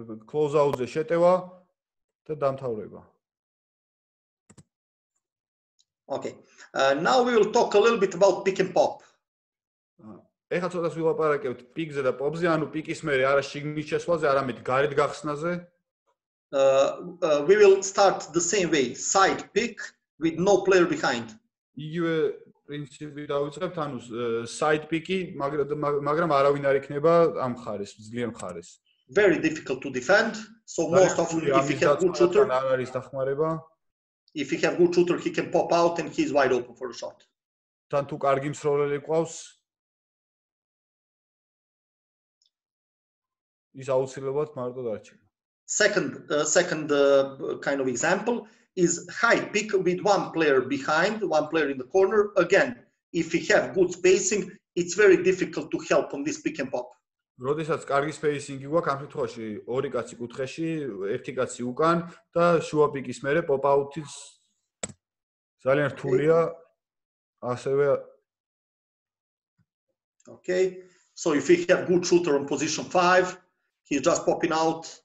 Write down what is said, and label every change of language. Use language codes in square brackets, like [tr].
[ka] close out-ზე შეტევა და დამთავრება. [en] Okay. Now we will talk a little bit about pick and pop. [ka] ეხლა ცოტას ვილაპარაკებთ პიკზე და პოპზე, ანუ პიკის მერე არა შიგნის შესვლაზე, არამედ გარეთ გახსნაზე. [en] We will start the same way, side pick with no player behind. [ka] იგივე პრინციპი დავიწყებთ, ანუ side pick-ი, მაგრამ არავინ არ იქნება ამ ხარეს, ძლიერ ხარეს. [en] Very difficult to defend, so most often if you have good shooter. [ka] არ არის დახმარება. [en] If he have good shooter, he can pop out and he's wide open for a shot. [ka] თან თუ კარგი მსროლელი ყავს, ის აუცილებლად მარტო დარჩება. [en] Second kind of example is high pick with one player behind, one player in the corner. Again, if he have good spacing, it's very difficult to help on this pick and pop. [ka] როდესაც კარგი სპეისინგი გვაქვს ამ შემთხვევაში, ორი კაცი კუთხეში, ერთი კაცი უკან და შუა პიკის მერე პოპ აუტის ძალიან რთულია ასევე. [en] Okay. So if he have good shooter on position 5, he's just popping out.